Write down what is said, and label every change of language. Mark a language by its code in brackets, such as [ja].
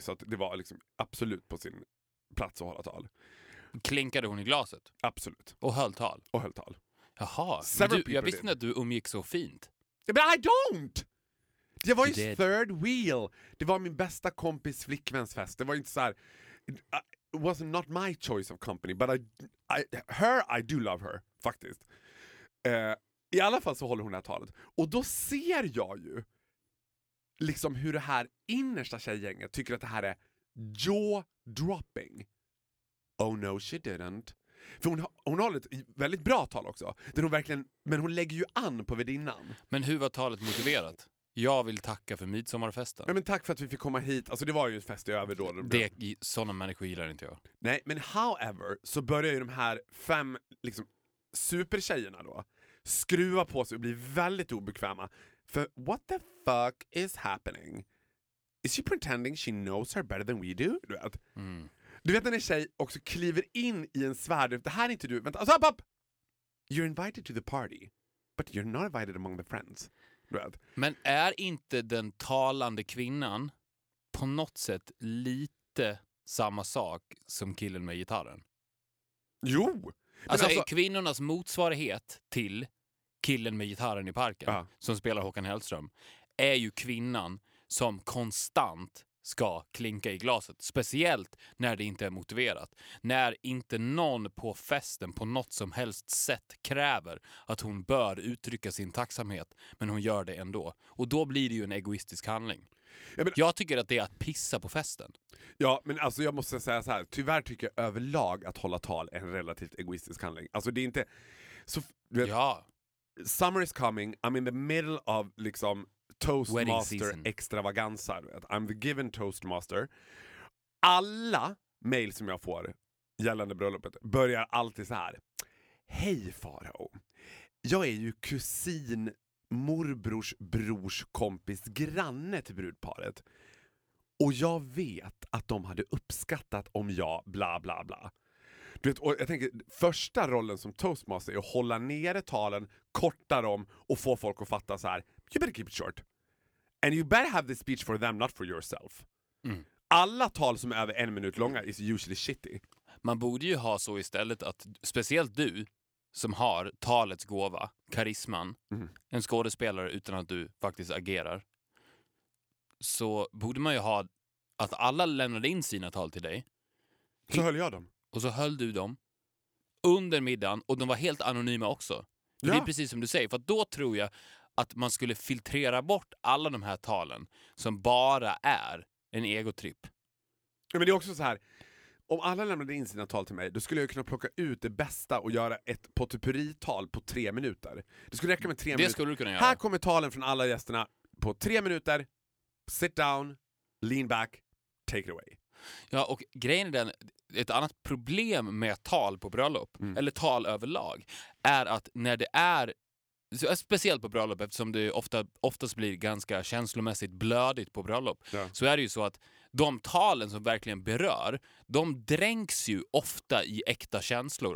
[sv] Så att det var liksom absolut på sin plats att hålla tal. Klinkade hon i glaset? Absolut. Och höll tal? Och höll tal. Jaha. Du, jag visste inte att du umgick så fint. [en] But I don't! Det var ju third wheel. [sv] Det var min bästa kompis flickväns fest. Det var inte så här... [en] It was not my choice of company. [sv] But I do love her, faktiskt. I alla fall så håller hon det här talet. Och då ser jag ju liksom hur det här innersta tjejgänget tycker att det här är jaw-dropping. Oh no, she didn't. För hon har ett väldigt bra tal också. Den hon verkligen, men hon lägger ju an på värdinnan. Men hur var talet motiverat? Jag vill tacka för midsommarfesten. Ja, men tack för att vi fick komma hit. Alltså det var ju ett fest i över då. Det, sådana människor gillar inte jag. Nej, men however så börjar ju de här fem liksom supertjejerna då skruva på sig och bli väldigt obekväma. [en] För what the fuck is happening? Is she pretending she knows her better than we do? [sv] Du vet. Mm. Du vet när en tjej också kliver in i en svärd. Det här är inte du. Vänta, alltså, upp! [en] You're invited to the party, but you're not invited among the friends. [sv] Du vet. Men är inte den talande kvinnan på något sätt lite samma sak som killen med gitarren? Jo! Alltså, är kvinnornas motsvarighet till killen med gitarren i parken, uh-huh, som spelar Håkan Hellström, är ju kvinnan som konstant ska klinka i glaset. Speciellt när det inte är motiverat. När inte någon på festen på något som helst sätt kräver att hon bör uttrycka sin tacksamhet, men hon gör det ändå. Och då blir det ju en egoistisk handling. Ja, men, jag tycker att det är att pissa på festen. Ja, men alltså jag måste säga så här. Tyvärr tycker jag överlag att hålla tal är en relativt egoistisk handling. Alltså det är inte... Så, du vet, ja. [en] Summer is coming. I'm in the middle of liksom Toastmaster extravaganza. Du vet. I'm the given Toastmaster. [sv] Alla mail som jag får gällande bröllopet börjar alltid så här. Hej Farao. Jag är ju kusin... morbrors brors kompis granne till brudparet. Och jag vet att de hade uppskattat om jag bla bla bla. Du vet, och jag tänker, första rollen som toastmaster är att hålla nere talen, korta dem och få folk att fatta så här. [en] You better keep it short. And you better have this speech for them, not for yourself. Mm. [sv] Alla tal som är över en minut långa is usually shitty. Man borde ju ha så istället att, speciellt du, som har talets gåva, karisman, mm, en skådespelare utan att du faktiskt agerar, så borde man ju ha att alla lämnade in sina tal till dig. Så höll jag dem. Och så höll du dem under middagen, och de var helt anonyma också. Ja. Det är precis som du säger, för då tror jag att man skulle filtrera bort alla de här talen som bara är en egotripp. Ja, men det är också så här... Om alla lämnade in sina tal till mig, då skulle jag kunna plocka ut det bästa och göra ett potpurrital på 3 minuter. Det skulle räcka med 3 minuter. Det skulle du kunna göra. Här kommer talen från alla gästerna på 3 minuter. [en] Sit down, lean back, take it away. [sv] Ja, och grejen är den, ett annat problem med tal på bröllop, mm, eller tal överlag, är att när det är, speciellt på bröllop, eftersom det oftast blir ganska känslomässigt blödigt på bröllop, ja, så är det ju så att de talen som verkligen berör, de dränks ju ofta i äkta känslor.